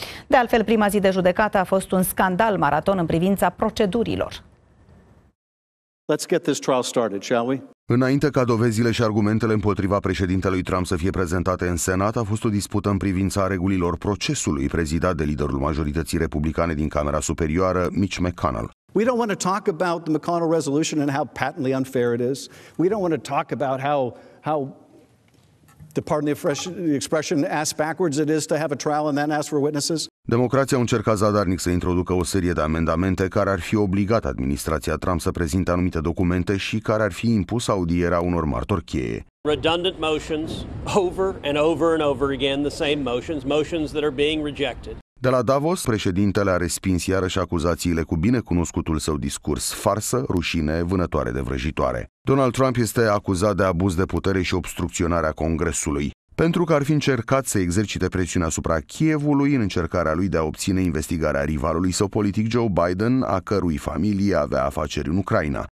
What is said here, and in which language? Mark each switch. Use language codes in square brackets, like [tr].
[ro] De altfel, prima zi de judecată a fost un scandal maraton în privința procedurilor. [en] Let's get this trial started, shall we? [ro] Înainte ca dovezile și argumentele împotriva președintelui Trump să fie prezentate în Senat, a fost o dispută în privința regulilor procesului, prezidat de liderul majorității republicane din Camera Superioară, Mitch McConnell. [en] We don't want to talk about the McConnell resolution and how patently unfair it is. We don't want to talk about how to pardon the expression ass backwards it is to have a trial and then ask for witnesses. [ro] Democrația au încercat zadarnic să introducă o serie de amendamente care ar fi obligat administrația Trump să prezinte anumite documente și care ar fi impus audierea unor martori cheie. [en] Redundant motions, over and over and over again, the same motions that are being rejected. [ro] De la Davos, președintele a respins iarăși acuzațiile cu binecunoscutul său discurs farsă, rușine, vânătoare de vrăjitoare. Donald Trump este acuzat de abuz de putere și obstrucționarea Congresului. Pentru că ar fi încercat să exercite presiune asupra Kievului în încercarea lui de a obține investigarea rivalului său politic Joe Biden, a cărui familie avea afaceri în Ucraina.